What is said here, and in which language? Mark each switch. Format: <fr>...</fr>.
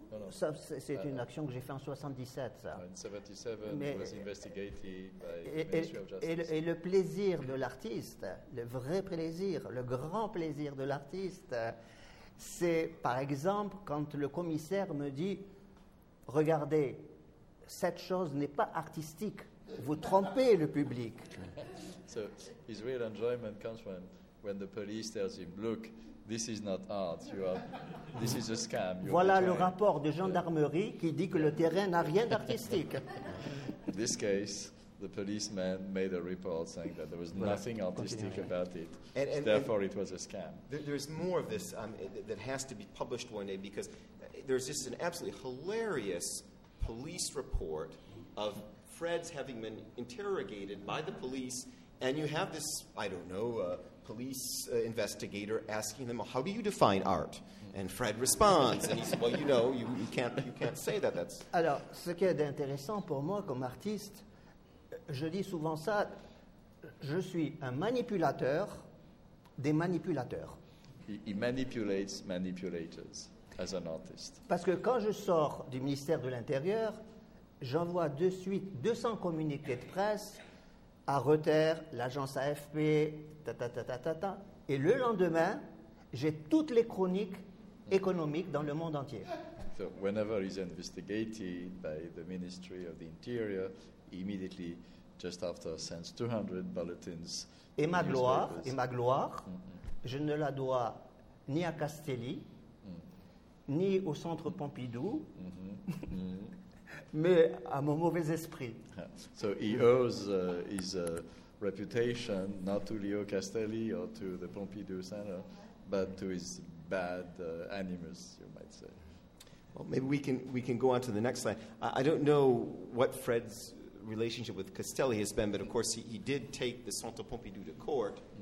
<fr>C'est une action que j'ai faite en 77, ça.</fr> <en>In 77, mais he was investigated by the Ministry of Justice.</en> <fr>Et le plaisir de l'artiste, le vrai plaisir, le grand plaisir de l'artiste, c'est, par exemple, quand le commissaire me dit, regardez, cette chose n'est pas artistique. Vous trompez le public.</fr> <en>So his real enjoyment comes when the police tells him, look, this is not art. This is a scam. You're</en> <fr>voilà le rapport de gendarmerie qui dit que le terrain n'a rien d'artistique.</fr> <en>In this case, the policeman made a report saying that there was nothing artistic about it. And therefore, it was a scam. There's more of this that has to be published one day, because there's just an absolutely hilarious police report of Fred's having been interrogated by the police, and you have this, I don't know, police investigator asking them, well, how do you define art? And Fred responds, and he says, well, you can't say that. That's...</en> <fr>Alors, ce qui est intéressant pour moi comme artiste, je dis souvent ça, je suis un manipulateur des manipulateurs.</fr> <en>He manipulates manipulators. As an artist.</en> <fr>Parce que quand je sors du ministère de l'Intérieur, j'envoie de suite 200 communiqués de presse à Reuters, l'agence AFP, ta. Et le lendemain, j'ai toutes les chroniques économiques dans le monde entier.</fr> <en>So whenever he's investigated by the Ministry of the Interior, immediately, just after, sends 200 bulletins.</en> <fr>Et ma gloire, je ne la dois ni à Castelli, ni au centre Pompidou, mais à mon mauvais esprit.</fr> <en>So he owes his reputation, not to Leo Castelli or to the Pompidou Center, but to his bad animus, you might say. Well, maybe we can go on to the next slide. I don't know what Fred's relationship with Castelli has been, but of course he did take the Centre Pompidou to court.</en>